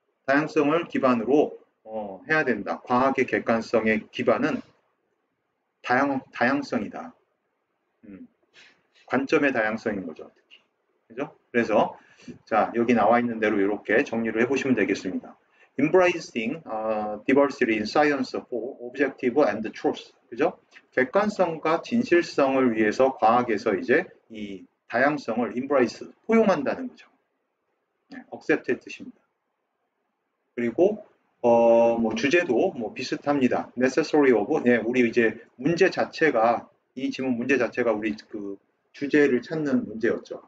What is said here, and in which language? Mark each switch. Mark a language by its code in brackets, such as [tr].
[ko] 다양성을 기반으로 해야 된다. 과학의 객관성의 기반은 다양성이다. 관점의 다양성인 거죠. 그죠? 그래서 자, 여기 나와 있는 대로 이렇게 정리를 해보시면 되겠습니다. [en] Embracing diversity in science for objective and truth. [ko] 그죠? 객관성과 진실성을 위해서 과학에서 이제 이 다양성을 embrace, 포용한다는 거죠. 네, accept의 뜻입니다. 그리고 뭐 주제도 뭐 비슷합니다. [en] Necessary of, [ko] 네, 우리 이제 문제 자체가 이 질문 문제 자체가 우리 그 주제를 찾는 문제였죠.